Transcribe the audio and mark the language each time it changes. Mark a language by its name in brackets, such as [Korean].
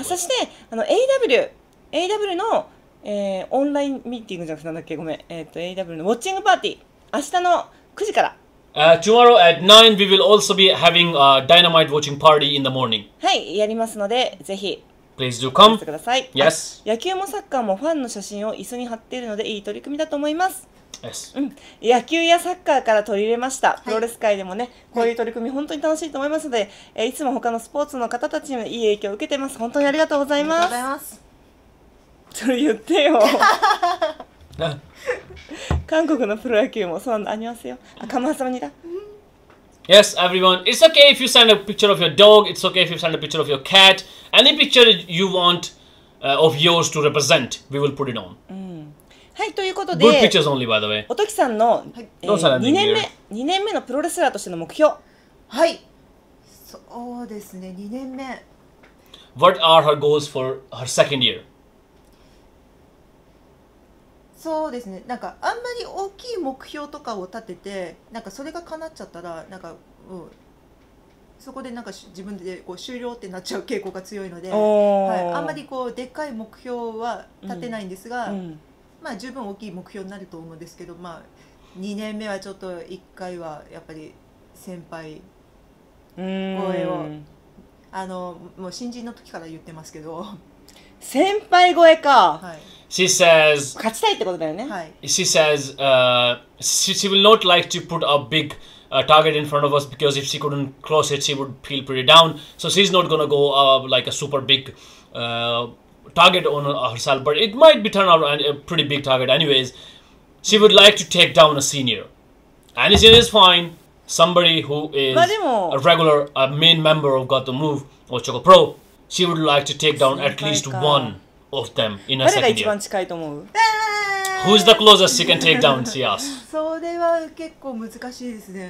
[Japanese] あそしてあの AW のオンラインミーティングじゃなくてなんだっけごめん、AW のウォッチングパーティー明日の9時から [English] Tomorrow at 9 we will also be having a dynamite watching party in the morning [Japanese] はいやりますのでぜひ [English] Please do come [Japanese] てください、 [English] yes. [Japanese] 野球もサッカーもファンの写真を椅子に貼っているのでいい取り組みだと思います、 [English] yes. [Japanese] うん、野球やサッカーから取り入れました、はい、プロレス界でもねこういう取り組み本当に楽しいと思いますので、はいいつも他のスポーツの方たちにもいい影響を受けてます本当にありがとうございますありがとうございますちょっと言ってよ韓国のプロ野球もそうなんだアニュアンスよあ、カムハサマニだ [English] Yes, everyone It's okay if you send a picture of your dog It's okay if you send a picture of your cat Any picture you want、of yours to represent We will put it on、 [Japanese] うん、はい、ということで [English] Good pictures only, by the way [Japanese] おときさんの、はい 2年目2年目のプロレスラーとしての目標はいそうですね、2年目 [English] What are her goals for her second year? [Japanese] そうですね、なんかあんまり大きい目標とかを立てて、なんかそれが叶っちゃったらなんか、うん、そこでなんか自分でこう終了ってなっちゃう傾向が強いので、はい、あんまりこうでっかい目標は立てないんですが、うんうん、まあ十分大きい目標になると思うんですけど、まあ2年目はちょっと1回はやっぱり先輩声を、あのもう新人の時から言ってますけど、先輩声か、はい、 [English] She says [Japanese] 勝ちたいってことだよね、はい、 [English] She says she will not like to put a bigtarget in front of us because if she couldn't close it, she would feel pretty down. So she's not gonna go like a super big target on herself, but it might be turn out a pretty big target anyways. She would like to take down a senior. Any senior is fine. Somebody who is a regular, a main member of Got The Move or Choco Pro, she would like to take down at least one of them in a second year. Who's the closest you can take down? Who's the closest she can take down? She asks. [Japanese] それは結構難しいですね。